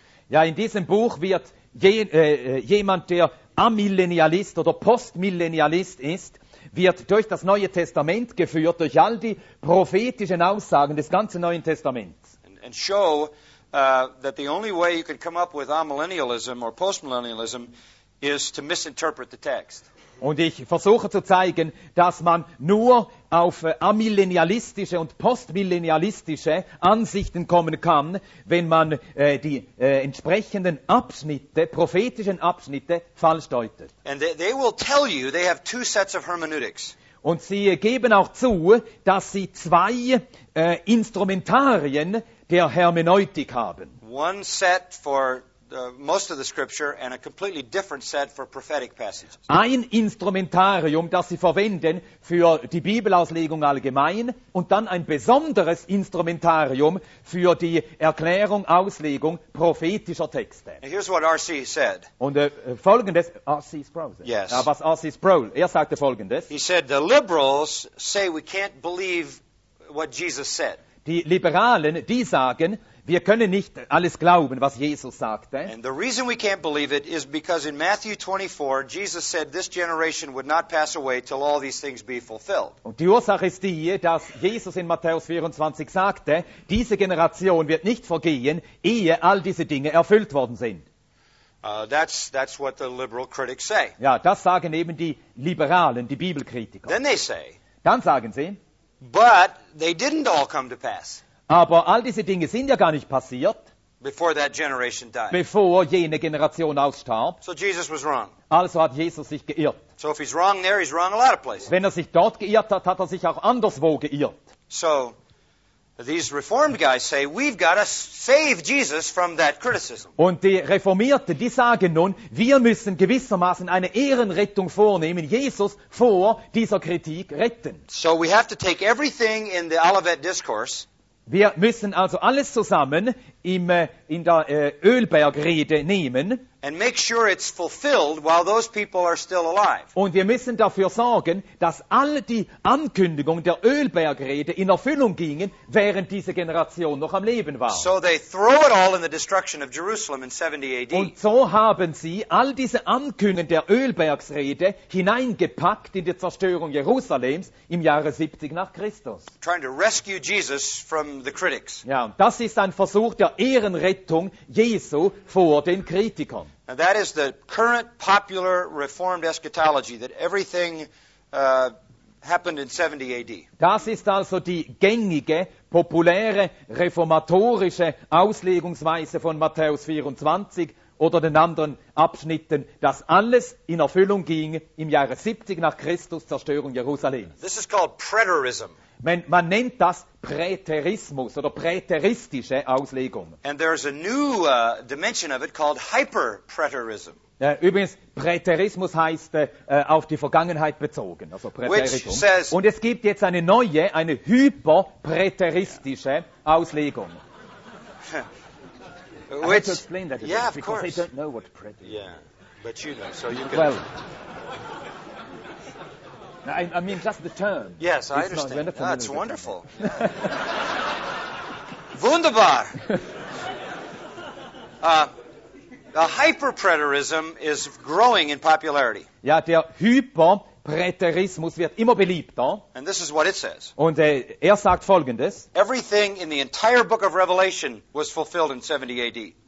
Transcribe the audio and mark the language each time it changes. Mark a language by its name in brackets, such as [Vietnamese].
[German] Ja, in diesem Buch wird jemand, der Amillennialist oder Postmillennialist ist, wird durch das Neue Testament geführt, durch all die prophetischen Aussagen des ganzen Neuen Testaments. [English] And show that the only way you could come up with amillennialism or postmillennialism is to misinterpret the text. [German] Und ich versuche zu zeigen, dass man nur auf amillennialistische und postmillennialistische Ansichten kommen kann, wenn man die entsprechenden Abschnitte, prophetischen Abschnitte, falsch deutet. [English] And they will tell you they have two sets of hermeneutics. [German] Und sie geben auch zu, dass sie zwei Instrumentarien der Hermeneutik haben. [English] One set for most of the scripture and a completely different set for prophetic passages. [German] Ein Instrumentarium, das sie verwenden für die Bibelauslegung allgemein, und dann ein besonderes Instrumentarium für die Erklärung, Auslegung prophetischer Texte. [English] And here's what R.C. said. [German] Und folgendes, R.C. Sproul. [English] Yes. [German] Was R.C. Sproul, er sagte folgendes. [English] He said, the liberals say we can't believe what Jesus said. [German] Die Liberalen, die sagen, wir können nicht alles glauben, was Jesus sagte. [English] And the reason we can't believe it is because in Matthew 24, Jesus said this generation would not pass away till all these things be fulfilled. [German] Und die Ursache ist die, dass Jesus in Matthäus 24 sagte, diese Generation wird nicht vergehen, ehe all diese Dinge erfüllt worden sind. [English] That's what the liberal critics say. [German] Ja, das sagen eben die Liberalen, die Bibelkritiker. [English] Then they say, [German] dann sagen sie, [English] but they didn't all come to pass. [German] Aber all diese Dinge sind ja gar nicht passiert, [English] before that generation died. [German] Bevor jene Generation ausstarb. [English] So Jesus was wrong. [German] Also hat Jesus sich geirrt. [English] So if he's wrong there, he's wrong a lot of places. [German] Wenn er sich dort geirrt hat, hat er sich auch anderswo geirrt. [English] So these reformed guys say, we've got to save Jesus from that criticism. [German] Und die Reformierten, die sagen nun, wir müssen gewissermaßen eine Ehrenrettung vornehmen, Jesus vor dieser Kritik retten. [English] So we have to take everything in the Olivet Discourse. [German] Wir müssen also alles zusammen in der Ölbergrede nehmen. [English] And make sure it's fulfilled while those people are still alive. [German] Und wir müssen dafür sorgen, dass all die Ankündigungen der Ölbergrede in Erfüllung gingen, während diese Generation noch am Leben war. [English] So they throw it all in the destruction of Jerusalem in 70 AD. [German] Und so haben sie all diese Ankündigungen der Ölbergsrede hineingepackt in die Zerstörung Jerusalems im Jahre 70 nach Christus. [English] Trying to rescue Jesus from the critics. [German] Ja, das ist ein Versuch der Ehrenrettung Jesu vor den Kritikern. [English] And that is the current popular reformed eschatology, that everything happened in 70 AD. [German] Das ist also die gängige, populäre, reformatorische Auslegungsweise von Matthäus 24 oder den anderen Abschnitten, dass alles in Erfüllung ging im Jahre 70 nach Christus, Zerstörung Jerusalems. [English] This is called preterism. [German] Man nennt das Präterismus oder präteristische Auslegung. [English] And there's a new dimension of it called hyperpreterism. [German] Übrigens, Präterismus heißt auf die Vergangenheit bezogen, also Präteritum. [English] Says, [German] und es gibt jetzt eine neue, eine hyperpräteristische Auslegung. [English] Which, I have to explain that, yeah, because of course. They don't know what preterism is. Yeah, but you know, so you can. Well, I mean, just the term. Yes, I it's understand. Not, that's wonderful. [German] Wunderbar. [English] The hyperpreterism is growing in popularity. [German] Ja, der Hyperpreterismus wird immer beliebter. [English] And this is what it says. [German] Und sagt folgendes. [English] Everything in the entire book of Revelation was fulfilled in 70 AD.